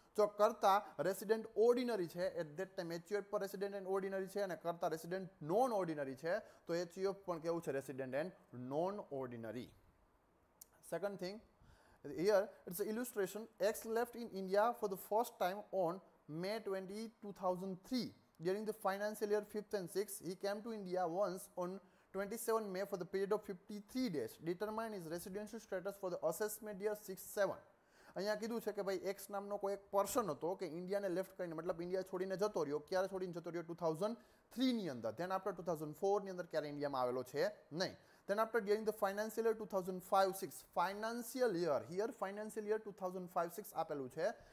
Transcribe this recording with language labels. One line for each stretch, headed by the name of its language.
Gujarati: જો કરતા resident ordinary છે
English: at that time
Gujarati: એચયુએફ પણ રેસિડન્ટ એન્ડ ઓર્ડિનરી છે, અને કરતા રેસિડન્ટ નોન ઓર્ડિનરી છે તો એચયુએફ પણ કેવું છે, resident and non ordinary.
English: Second thing here it's a illustration. X left in India for the first time on May 20, 2003. During the financial year 5th and 6th, he came to India once on 27 May for the period of 53 days. Determine his residential status for the assessment year 6-7.
Gujarati: અહીંયા કીધું છે કે ભાઈ x નામનો કોઈ એક person હતો કે ઇન્ડિયાને લેફ્ટ કરીને, મતલબ ઇન્ડિયા છોડીને જતો રહ્યો. ક્યારે છોડીને જતો રહ્યો? 2003ની અંદર.
English: then after
Gujarati: 2004ની અંદર ક્યારે ઇન્ડિયામાં આવેલો છે? નહીં.
English: Then after during the financial year 2005-06, financial year, here financial year 2005-06 આપેલું છે.